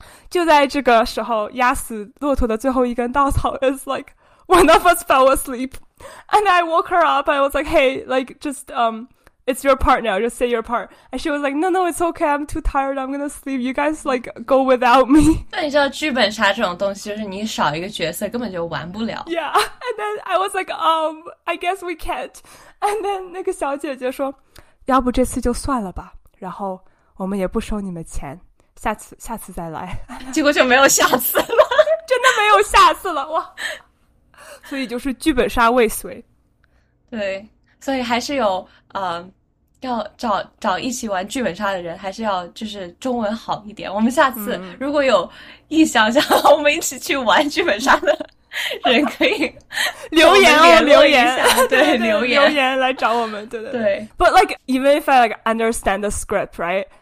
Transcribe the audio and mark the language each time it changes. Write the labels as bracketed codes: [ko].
[zh] 就在这个时候压死骆驼的最后一根稻草 [en] is like one of us fell asleep and I woke her up and I was like hey like just it's your part now just say your part and she was like no it's okay I'm too tired I'm gonna sleep you guys like go without me [zh] 那你知道剧本杀这种东西就是你少一个角色根本就玩不了 [en] yeah and then I was like I guess we can't and then [zh] 那个小姐姐说要不这次就算了吧然后我们也不收你们钱下次再来，结果就没有下次了，真的没有下次了哇！所以就是剧本杀未遂，对，所以还是有要找一起玩剧本杀的人，还是要就是中文好一点。我们下次如果有意想想我们一起去玩剧本杀的人，可以留言哦，留言一下，对，留言来找我们，对对对。 [en] But like even if I like understand the script, right?